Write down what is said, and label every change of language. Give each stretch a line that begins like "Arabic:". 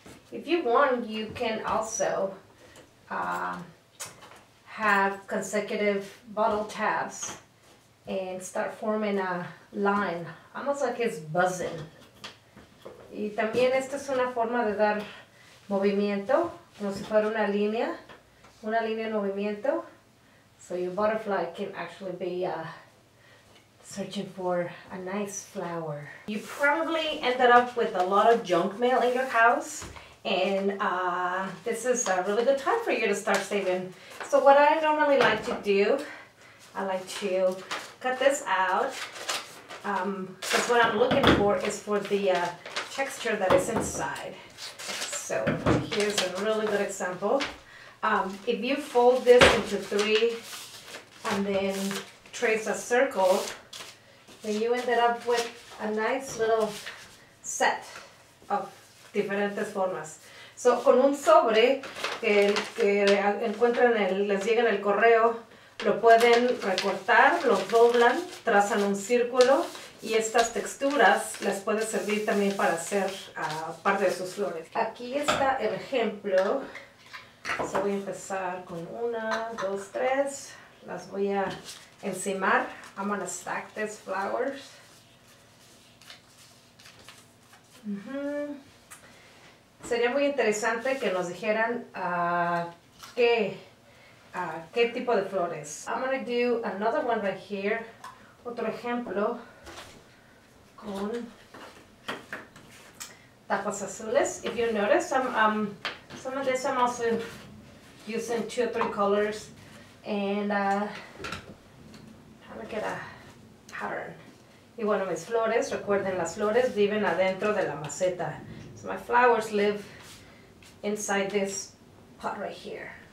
English: If you want, you can also have consecutive bottle tabs and start forming a line. Almost like it's buzzing.
Spanish: Y también esta es una forma de dar movimiento, como si fuera una línea en movimiento.
English: So your butterfly can actually be searching for a nice flower. You probably ended up with a lot of junk mail in your house. And this is a really good time for you to start saving. So what I normally like to do, I like to cut this out. Because what I'm looking for is for the texture that is inside. So here's a really good example. If you fold this into three and then trace a circle, then you ended up with a nice little set of
Spanish: diferentes formas. So, con un sobre que encuentran, les llega en el correo, lo pueden recortar, lo doblan, trazan un círculo, y estas texturas les pueden servir también para hacer parte de sus flores. Aquí está el ejemplo. So, voy a empezar con una, dos, tres. Las voy a encimar.
English: I'm gonna stack these flowers.
Spanish: Mm-hmm. Sería muy interesante que nos dijeran qué tipo de flores.
English: I'm gonna do another one right here.
Spanish: Otro ejemplo con tapas azules.
English: If you notice, some of this I'm also using two or three colors. And how to get a pattern.
Spanish: Y bueno, mis flores, recuerden, las flores viven adentro de la maceta.
English: So my flowers live inside this pot right here.